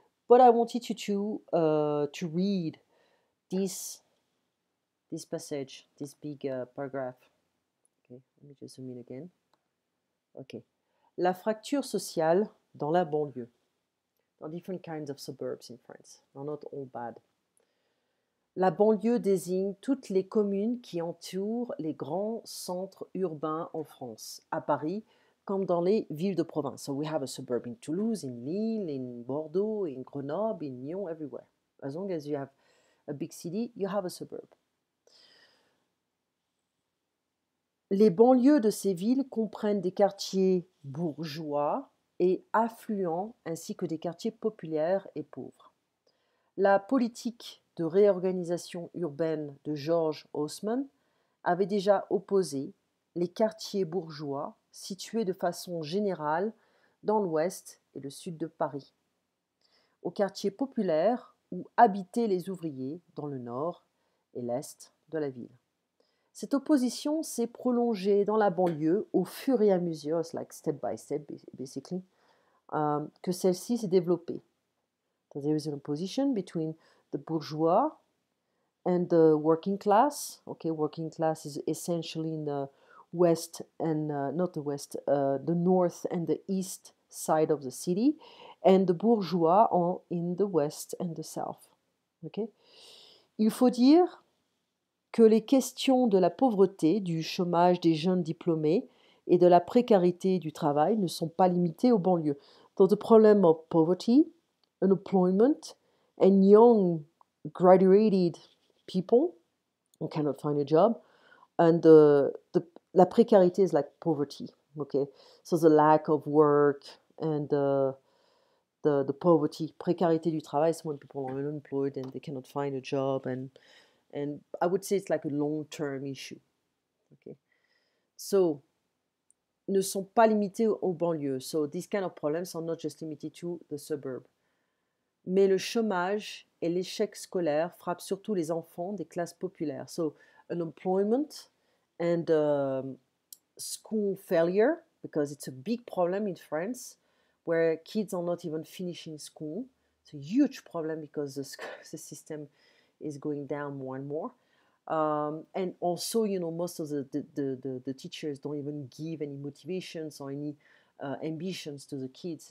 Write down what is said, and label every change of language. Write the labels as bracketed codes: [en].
[en] But I wanted you to read this passage, this big paragraph. Okay, let me just zoom in again. Okay. [fr] La fracture sociale dans la banlieue. [en] There are different kinds of suburbs in France. They're not all bad. [fr] La banlieue désigne toutes les communes qui entourent les grands centres urbains en France, à Paris, comme dans les villes de province. [en] So we have a suburb in Toulouse, in Lille, in Bordeaux, in Grenoble, in Lyon, everywhere. As long as you have a big city, you have a suburb. [fr] Les banlieues de ces villes comprennent des quartiers bourgeois et affluents, ainsi que des quartiers populaires et pauvres. La politique de réorganisation urbaine de George Haussmann avait déjà opposé les quartiers bourgeois situés de façon générale dans l'ouest et le sud de Paris, aux quartiers populaires où habitaient les ouvriers dans le nord et l'est de la ville. Cette opposition s'est prolongée dans la banlieue au fur et à mesure, [en] it's like step by step, basically, [fr] que celle-ci s'est développée. [en] So there is an opposition between the bourgeois and the working class. Okay, working class is essentially in the west and not the west, the north and the east side of the city, and the bourgeois in the west and the south. [fr] Okay, il faut dire que les questions de la pauvreté, du chômage des jeunes diplômés et de la précarité du travail ne sont pas limitées aux banlieues. [en] So the problem of poverty, unemployment, and young graduated people who cannot find a job, and la précarité is like poverty. Okay, so the lack of work and the poverty, [fr] précarité du travail, [en] so when people are unemployed and they cannot find a job and and I would say it's like a long-term issue. Okay. [fr] So, ne sont pas limités aux banlieues. [en] So, these kind of problems are not just limited to the suburb. [fr] Mais le chômage et l'échec scolaire frappent surtout les enfants des classes populaires. [en] So, unemployment and school failure, because it's a big problem in France, where kids are not even finishing school. It's a huge problem because the system is going down more and more. And also, you know, most of the teachers don't even give any motivations or any ambitions to the kids.